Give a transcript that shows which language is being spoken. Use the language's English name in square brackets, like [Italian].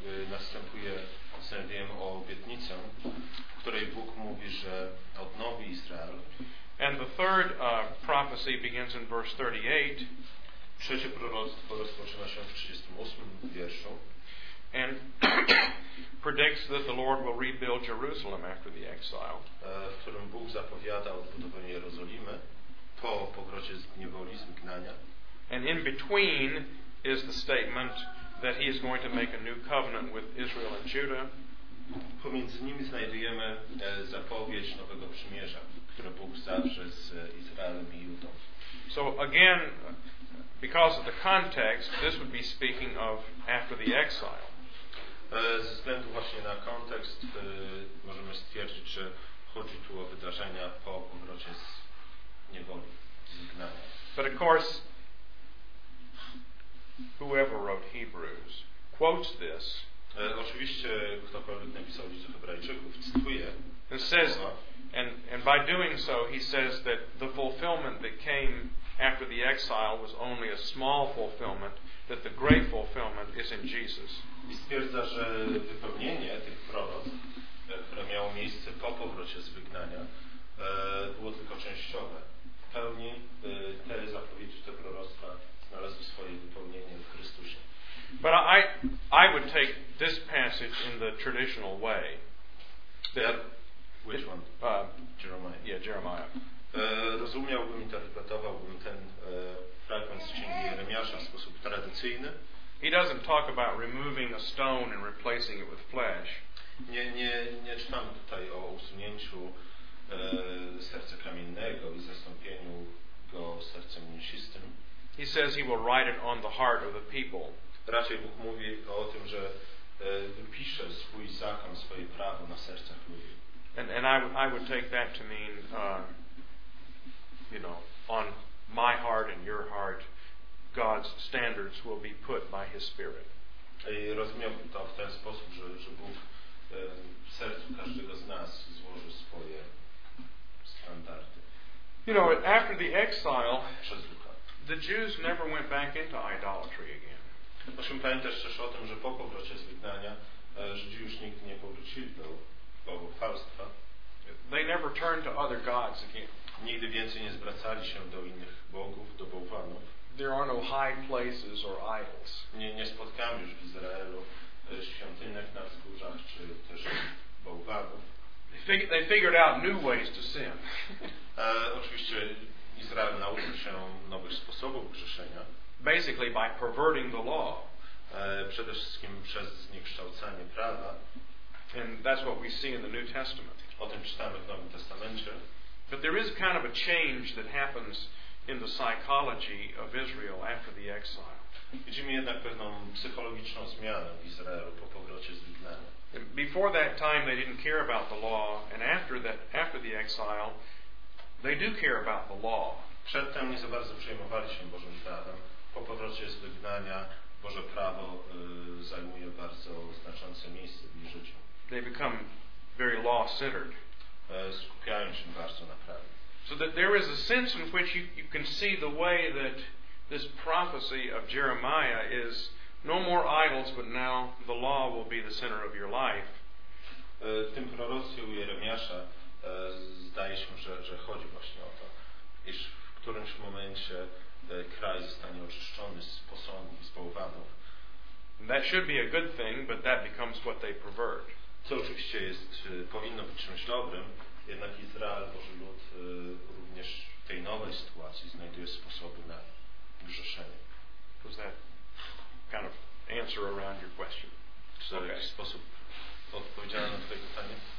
[Polish] Następuje znajdujemy o obietnicę, w której Bóg mówi, że odnowi Izrael. [English] And the third prophecy begins in verse 38. [Polish] Trzecie proroctwo rozpoczyna się w 38 wierszu. [English] And predicts that the Lord will rebuild Jerusalem after the exile. [Polish] W którym Bóg zapowiada odbudowanie Jerozolimy po powrocie z niewoli, z wygnania. [English] And in between is the statement that he is going to make a new covenant with Israel and Judah. [Polish] Pomiędzy nimi znajdujemy zapowiedź nowego przymierza, które Bóg zawrze z Izraelem i Judą. [English] So again, because of the context, this would be speaking of after the exile. [Polish] Ze względu właśnie na kontekst możemy stwierdzić, że chodzi tu o wydarzenia po powrocie z niewoli, z wygnania. [English] But of course, whoever wrote Hebrews quotes this. [Polish] Oczywiście ktokolwiek napisał listę Hebrajczyków cytuje. [English] And says, and by doing so, he says that the fulfillment that came after the exile was only a small fulfillment, that the great fulfillment is in Jesus. [Polish] I stwierdza, że wypełnienie tych proroctw, które miało miejsce po powrocie z wygnania, było tylko częściowe. W pełni te zapowiedzi, te proroctwa znalazły swoje wypełnienie w Chrystusie. [English] But I would take this passage in the traditional way. Which one? Jeremiah. Yeah, Jeremiah. [Polish] Rozumiałbym, interpretowałbym ten fragment z Księgi Jeremiasza w sposób tradycyjny. [English] He doesn't talk about removing a stone and replacing it with flesh. [Polish] Nie czytamy tutaj o usunięciu serca kamiennego i zastąpieniu go sercem mięsistym. [English] He says he will write it on the heart of the people. [Polish] Raczej Bóg mówi o tym, że wypisze swój zakon, swoje prawo na sercach ludzi. [English] And I would take that to mean, you know, on my heart and your heart, God's standards will be put by His Spirit. [Polish] I rozumiem to w ten sposób, że Bóg w sercu każdego z nas złoży swoje standardy. [English] You know, after the exile, the Jews never went back into idolatry again. [Polish] Musimy pamiętać też o tym, że po powrocie z wygnania Żydzi już nigdy nie powrócili do bałwochwalstwa. [English] They never turned to other gods again. [Polish] Nigdy więcej nie zwracali się do innych bogów, do bałwanów. [English] There are no high places or idols. [Polish] Nie spotkamy już w Izraelu świątynek na wzgórzach czy też bałwanów. [English] They figured out new ways to sin. [Polish] Oczywiście Izrael nauczył się nowych sposobów grzeszenia. [English] Basically by perverting the law. [Polish] Przede wszystkim przez zniekształcanie prawa. [English] And that's what we see in the New Testament. [Polish] O tym czytamy w Nowym Testamencie. [English] But there is kind of a change that happens in the psychology of Israel after the exile. [Polish] Widzimy jednak pewną psychologiczną zmianę w Izraelu po powrocie z wygnania. [English] Before that time they didn't care about the law, and after the exile they do care about the law. [Polish] Przedtem nie za bardzo przejmowali się Bożym prawem. Po powrocie z wygnania Boże prawo zajmuje bardzo znaczące miejsce w ich życiu. [English] They become very law-centered. [Polish] Skupiają się bardzo na prawie. [English] So that there is a sense in which you can see the way that this prophecy of Jeremiah is no more idols, but now the law will be the center of your life. [Polish] W tym prorocie u Jeremiasza zdaje się, że chodzi właśnie o to, iż w którymś momencie kraj zostanie oczyszczony z posągów, z bałwanów. [English] That should be a good thing, but that becomes what they pervert. [Polish] To oczywiście jest, powinno być czymś dobrym, jednak Izrael, Boży Lud, również w tej nowej sytuacji znajduje sposoby na grzeszenie. [English] Does that kind of answer around your question? [Polish] Czy to w jakiś sposób odpowiedziałem na twoje pytanie?